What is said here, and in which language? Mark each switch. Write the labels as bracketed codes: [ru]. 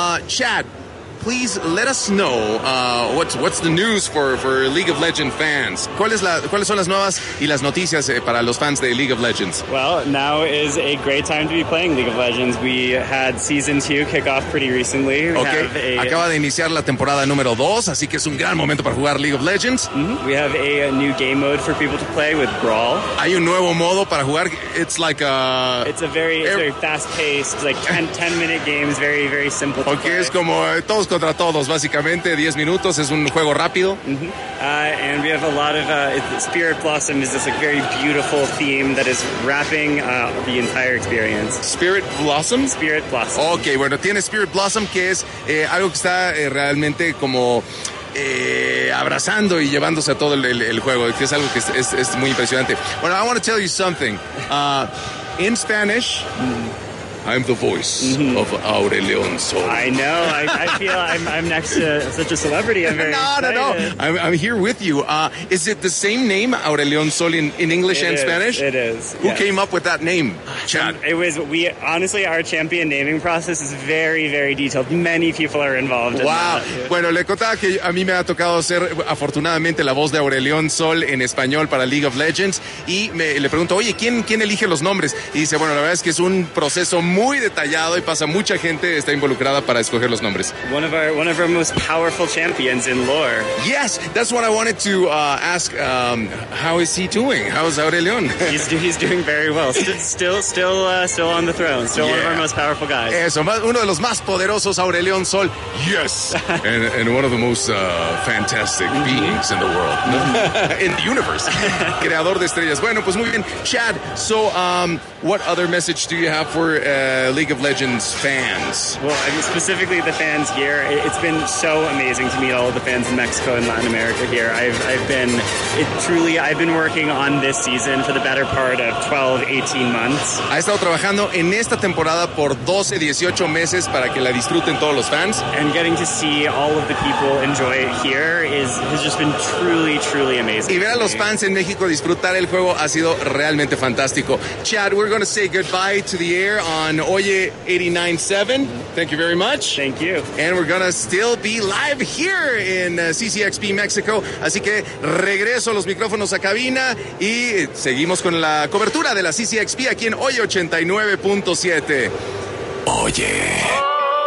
[en] Chad, please let us know what's the news for League of Legends fans. [es] ¿Cuáles son las nuevas y las noticias para los fans de League of Legends? [en] Well, now is a great time to be playing League of Legends. We had Season 2 kick off pretty recently. [es] Acaba de iniciar la temporada número 2, así que es un gran momento para jugar League of Legends. Mm-hmm. [en] We have a new game mode for people to play with Brawl. [es] Hay un nuevo modo para jugar. [en] It's like a... It's a very, very fast-paced, like 10-minute games, very, very simple to play. [es] Es como... Todos contra todos, básicamente, 10 minutos, es un juego rápido. Mm-hmm. [en] And we have a lot of, Spirit Blossom is this like, very beautiful theme that is wrapping the entire experience. Spirit Blossom? Spirit Blossom. [es] Ok, bueno, tiene Spirit Blossom, que es algo que está realmente como abrazando y llevándose a todo el juego, que es algo que es muy impresionante. [en] Bueno, well, I want to tell you something. In Spanish... Mm-hmm. I'm the voice of Aurelion Sol. I know. I feel I'm next to such a celebrity. I'm very excited. No. I'm here with you. Is it the same name, Aurelion Sol, in English it and is, Spanish? It is. Who yes. came up with that name, Chad? Honestly, our champion naming process is very, very detailed. Many people are involved wow. in that. [es] Wow. Bueno, le contaba que a mí me ha tocado ser, afortunadamente, la voz de Aurelion Sol en español para League of Legends. Y le pregunto, oye, ¿quién elige los nombres? Y dice, bueno, la verdad es que es un proceso muy detallado y pasa mucha gente está involucrada para escoger los nombres. [en] One of our most powerful champions in lore. Yes, that's what I wanted to ask. How is he doing? How is Aurelion? He's doing very well. Still on the throne. Still yeah. one of our most powerful guys. [es] Eso, uno de los más poderosos Aurelion Sol. [en] Yes, and one of the most fantastic mm-hmm. beings in the world, in the universe. [es] Creador de estrellas. Bueno, pues muy bien, Chad. [en] So, what other message do you have for League of Legends fans? Well, I mean, specifically the fans here, it's been so amazing to meet all of the fans in Mexico and Latin America here. I've been working on this season for the better part of 12, 18 months. [es] Ha estado trabajando en esta temporada por 12, 18 meses para que la disfruten todos los fans. [en] And getting to see all of the people enjoy it here has just been truly, truly amazing. [es] Y ver a los fans en México disfrutar el juego ha sido realmente fantástico. [en] Chad, we're going to say goodbye to the air on Oye 89.7. Thank you very much. Thank you. And we're going to still be live here in CCXP Mexico. [es] Así que regreso los micrófonos a cabina y seguimos con la cobertura de la CCXP aquí en Oye 89.7. Oye.